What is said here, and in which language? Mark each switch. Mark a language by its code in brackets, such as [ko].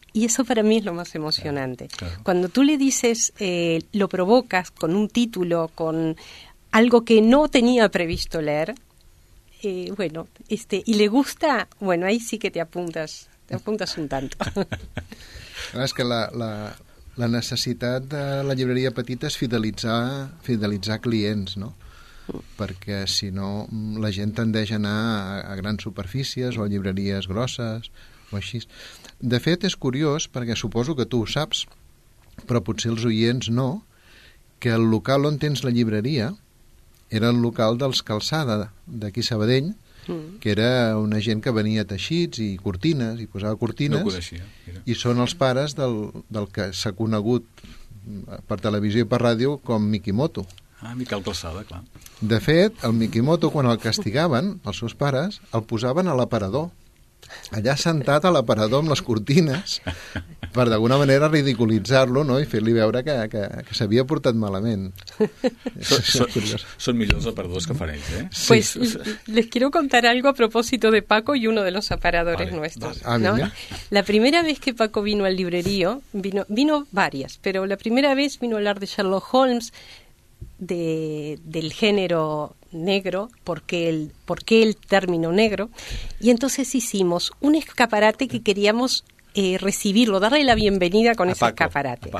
[es] Y eso para mí es lo más emocionante. Claro, claro. Cuando tú le dices, lo provocas con un título, con algo que no tenía previsto leer, y le gusta, bueno, ahí sí que te apuntas un tanto. [ca] Es que la necessitat de la llibreria petita és fidelitzar clients, no? Perquè si no, la gent tendeix a anar a grans superfícies o a llibreries grosses o així. De fet, és curiós, perquè suposo que tu ho saps, però potser els oients no, que el local on tens la llibreria era el local dels Calçada, d'aquí Sabadell, que era una gent que venia teixits i cortines, i posava cortines. No coneixia. I són els pares del que s'ha conegut per televisió i per ràdio com Mikimoto. Ah, Miquel Calçada, clar. De fet, el Mikimoto, quan el castigaven, els seus pares, el posaven a l'aparador. Allà sentat a l'aparador amb les cortines, per d'alguna manera ridiculitzar-lo, no?, i fer-li veure que s'havia portat malament. Són millors aparadors que faran ells, eh? Sí. [es] Pues les quiero contar algo a propósito de Paco y uno de los aparadores, vale, nuestros. Vale. ¿No? La primera vez que Paco vino al librerío, vino varias, pero la primera vez vino a hablar de Sherlock Holmes, del género negro, porque el término negro, y entonces hicimos un escaparate que queríamos recibirlo, darle la bienvenida con ese escaparate